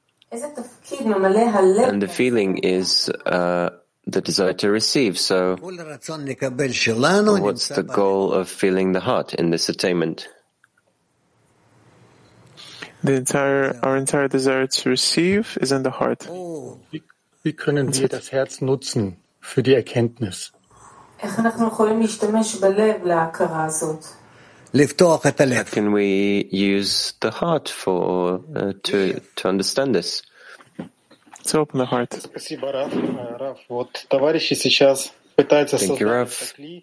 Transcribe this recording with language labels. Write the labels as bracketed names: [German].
[English] And the feeling is the desire to receive. So what's the goal of feeling the heart in this attainment? Our entire desire to receive is in the heart. [German] Wie können wir das Herz nutzen für die Erkenntnis? [English] How can we use the heart for to understand this? To open the heart. Thank you, Rav.